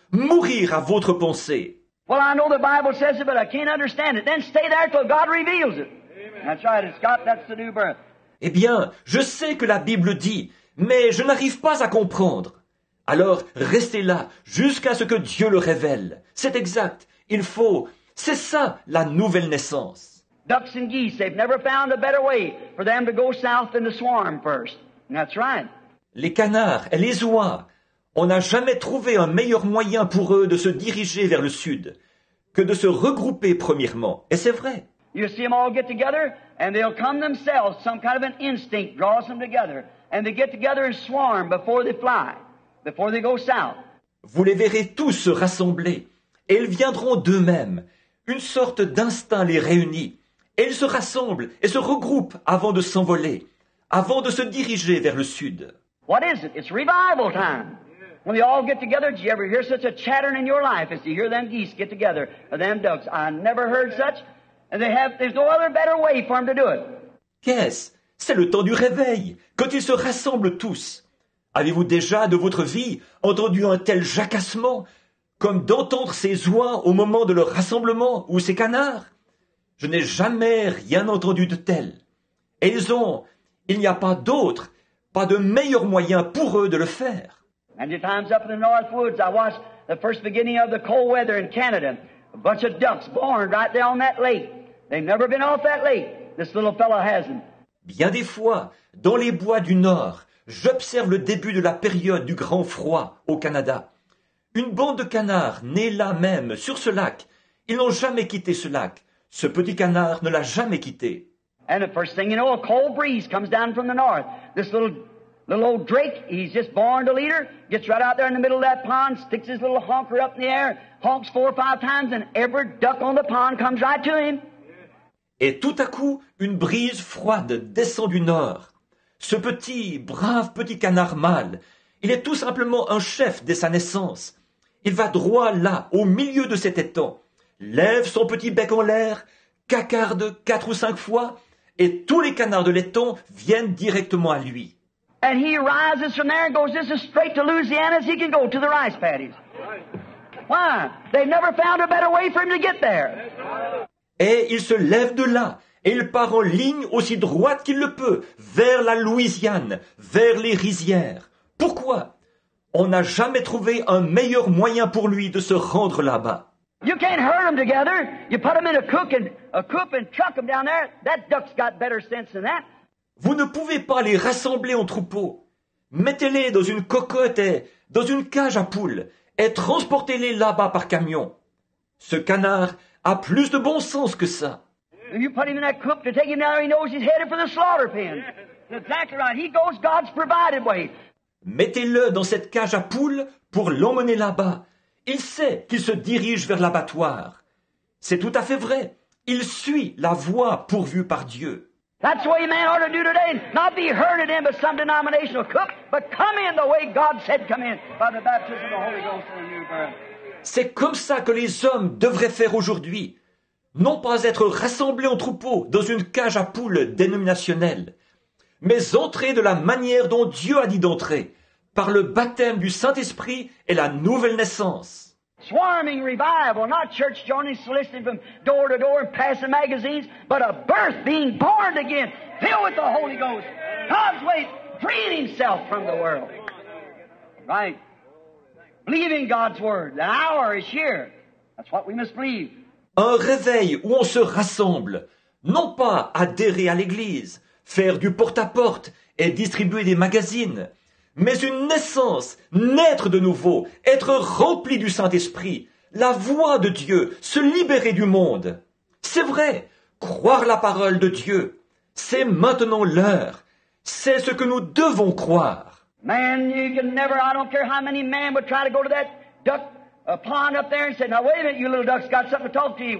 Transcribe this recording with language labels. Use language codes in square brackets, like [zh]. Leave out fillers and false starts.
[fr] Mourir à votre pensée. [en] Well, I know the Bible says it, but I can't understand it. Then stay there till God reveals it. Amen. That's right. That's the new birth. [fr] Eh bien, je sais que la Bible dit, mais je n'arrive pas à comprendre. Alors, restez là jusqu'à ce que Dieu le révèle. C'est exact. Il faut, c'est ça la nouvelle naissance. [en] Ducks and geese, they've never found a better way for them to go south than to swarm first. And that's right. [fr] Les canards et les oies, on n'a jamais trouvé un meilleur moyen pour eux de se diriger vers le sud que de se regrouper premièrement. Et c'est vrai. [en] You see them all get together and they'll come themselves, some kind of an instinct draws them together, and they get together and swarm before they fly, before they go south. [fr] Vous les verrez tous se rassembler. Et ils viendront d'eux-mêmes. Une sorte d'instinct les réunit. Et ils se rassemblent et se regroupent avant de s'envoler, avant de se diriger vers le sud. [en] What is it? It's revival time. When they all get together, do you ever hear such a chattering in your life as you hear them geese get together, or them ducks? I never heard such. And there's no other better way for them to do it. [fr] Qu'est-ce? C'est le temps du réveil, quand ils se rassemblent tous. Avez-vous déjà, de votre vie, entendu un tel jacassement comme d'entendre ces oies au moment de leur rassemblement ou ces canards? Je n'ai jamais rien entendu de tel. Et il n'y a pas d'autre, pas de meilleur moyen pour eux de le faire. [en] And the times up in the North Woods, I watched the first beginning of the cold weather in Canada. A bunch of ducks born right there on that lake. They've never been off that lake. This little fellow hasn't. [fr] Bien des fois, dans les bois du Nord, j'observe le début de la période du grand froid au Canada. Une bande de canards naît là même, sur ce lac. Ils n'ont jamais quitté ce lac. Ce petit canard ne l'a jamais quitté. [en] And the first thing you know, a cold breeze comes down from the north. This little old drake, he's just born to leader, gets right out there in the middle of that pond, sticks his little honker up in the air, honks four or five times, and every duck on the pond comes right to him. [fr] Et tout à coup, une brise froide descend du nord. Ce petit, brave petit canard mâle, il est tout simplement un chef dès sa naissance. Il va droit là, au milieu de cet étang, lève son petit bec en l'air, cacarde quatre ou cinq fois, et tous les canards de l'étang viennent directement à lui. [en] And he rises from there and goes just as straight to Louisiana as he can go to the rice paddies. Why? They've never found a better way for him to get there. [fr] Et il se lève de là et il part en ligne aussi droite qu'il le peut vers la Louisiane, vers les rizières. Pourquoi? On n'a jamais trouvé un meilleur moyen pour lui de se rendre là-bas. [en] You can't herd them together. You put them in a coop and truck them down there. That duck's got better sense than that. [fr] Vous ne pouvez pas les rassembler en troupeau. Mettez-les dans une cocotte et dans une cage à poules et transportez-les là-bas par camion. Ce canard a plus de bon sens que ça. [en] You put him in that coop to take him down, he knows he's headed for the slaughter pen. Exactly right. He goes God's provided way. [fr] Mettez-le dans cette cage à poules pour l'emmener là-bas. Il sait qu'il se dirige vers l'abattoir. C'est tout à fait vrai. Il suit la voie pourvue par Dieu. [en] That's what a man ought to do today. Not be herded in by some denominational cook, but come in the way God said come in, by the baptism of the Holy Ghost and the new birth. [fr] C'est comme ça que les hommes devraient faire aujourd'hui. Non pas être rassemblés en troupeau dans une cage à poules dénominationnelle, mais entrer de la manière dont Dieu a dit d'entrer, par le baptême du Saint-Esprit et la nouvelle naissance. [en] Swarming revival, not church joining, soliciting from door to door and passing magazines, but a birth being born again, filled with the Holy Ghost. God's way, freeing himself from the world. Right? Believing God's word, the hour is here. That's what we must believe. [fr] Un réveil où on se rassemble, non pas adhérer à l'Église, faire du porte-à-porte et distribuer des magazines, mais une naissance, naître de nouveau, être rempli du Saint-Esprit, la voix de Dieu, se libérer du monde. C'est vrai, croire la parole de Dieu, c'est maintenant l'heure, c'est ce que nous devons croire. [en] Man, you can never, I don't care how many men would try to go to that duck pond up there and say, now wait a minute, you little duck's got something to talk to you.